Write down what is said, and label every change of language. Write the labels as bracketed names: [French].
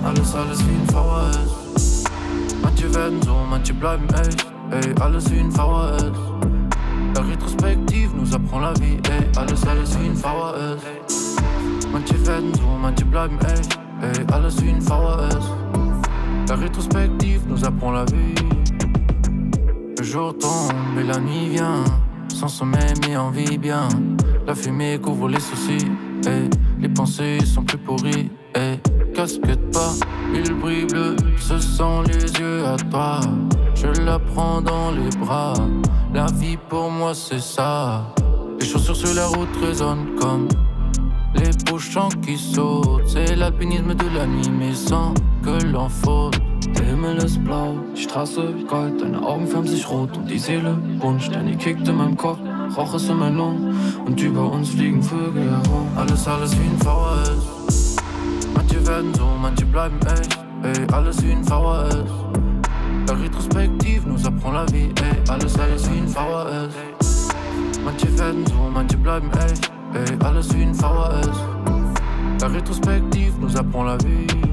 [German] Alles wie ein VHS. Manche werden so, manche bleiben echt, ey, alles wie ein VHS. Ja, retrospektiv, [French] nous apprend la vie, [German] ey, alles wie ein VHS. Manche werden so, manche bleiben echt, Ey, alles wie ein VHS. [French] La rétrospective nous apprend la vie. Le jour tombe et la nuit vient. Sans sommeil mais en vie bien. La fumée couvre les soucis. Ey, les pensées sont plus pourries. Ey, casque de pas, il brille bleu. Ce sont les yeux à toi. Je la prends dans les bras. La vie pour moi c'est ça. Les chaussures sur la route résonnent comme les bouchons qui sautent. C'est l'alpinisme de la nuit mais sans que l'on faute. [German] Der Himmel ist blau, die Straße gold, deine Augen färben sich rot und die Seele bunt. Sterne kickt in meinem Kopf, Rauch ist in meinen Lungen und über uns fliegen Vögel herum. Alles, alles wie ein VHS. Manche werden so, manche bleiben echt. Ey, alles wie ein VHS. [French] La rétrospective nous apprend la vie. [German] Ey, alles, alles wie ein VHS. Manche werden so, manche bleiben echt. Ey, alles wie ein VHS. [French] La rétrospective nous apprend la vie.